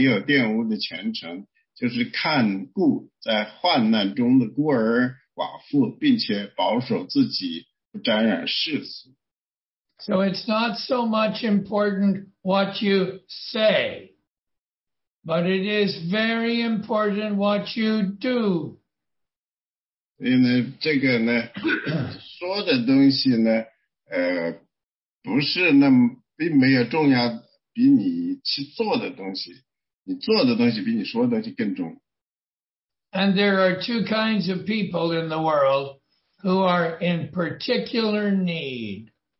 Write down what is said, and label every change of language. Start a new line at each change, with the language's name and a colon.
Chinese: 第二七节说在神我们的父面前那清洁没有玷污的虔诚 就是看顾在患难中的孤儿寡妇，并且保守自己，不沾染世俗。So
English: it's not so much important what you say, but it is very important what you do.
Chinese: 因为这个呢，说的东西呢，不是那么，并没有重要，比你去做的东西。
English: And there are two kinds of people in the world who are in particular need.